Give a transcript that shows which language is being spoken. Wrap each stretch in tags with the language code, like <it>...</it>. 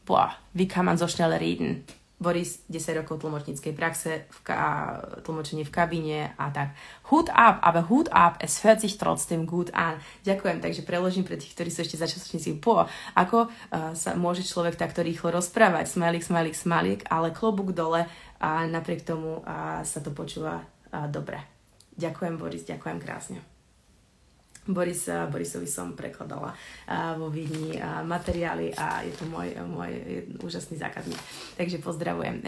<de>boah, wie kann man so schnell reden?</de> <sk>Boris, 10 rokov tlmočníckej praxe, tlmočenie v kabíne a tak.</sk> <de>Hut up, aber hut up, es hört sich trotzdem gut an.</de> <sk>Ďakujem, takže preložím pre tých, ktorí sú ešte začiatočníci. Po, ako sa môže človek takto rýchlo rozprávať? Smajlík, smajlík, smajlík, ale klobúk dole a napriek tomu sa to počúva dobre. Ďakujem, Boris, ďakujem krásne. Borisovi som prekladala vo Vídni materiály a je to môj úžasný zákazník. Takže pozdravujem.</sk>